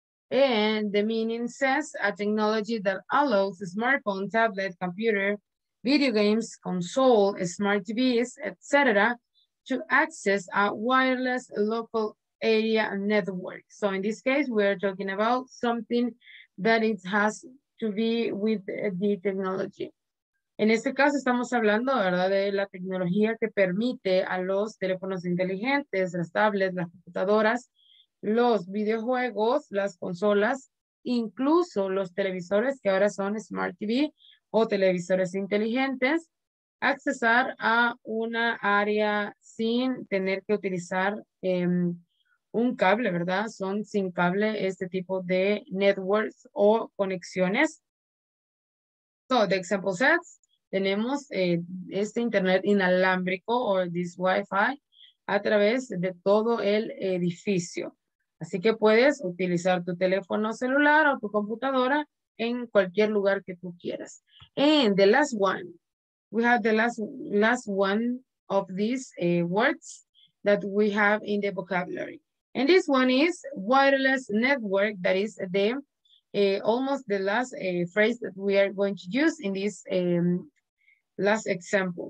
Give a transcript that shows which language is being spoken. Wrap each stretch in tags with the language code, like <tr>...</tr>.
<en>And the meaning says a technology that allows smartphone, tablet, computer, video games, console, smart TVs, etc. to access a wireless local area network. So in this case, we're talking about something that it has to be with the technology.</en> <es>En este caso estamos hablando, ¿verdad?, de la tecnología que permite a los teléfonos inteligentes, las tablets, las computadoras, los videojuegos, las consolas, incluso los televisores que ahora son Smart TV o televisores inteligentes, accesar a una área sin tener que utilizar un cable, ¿verdad? Son sin cable este tipo de networks o conexiones.</es> <en>So, the example sets,</en> <es>tenemos este internet inalámbrico o this Wi-Fi a través de todo el edificio. Así que puedes utilizar tu teléfono celular o tu computadora en cualquier lugar que tú quieras.</es> <en>And the last one, we have the last one of these words that we have in the vocabulary. And this one is wireless network, that is the almost the last phrase that we are going to use in this last example.</en>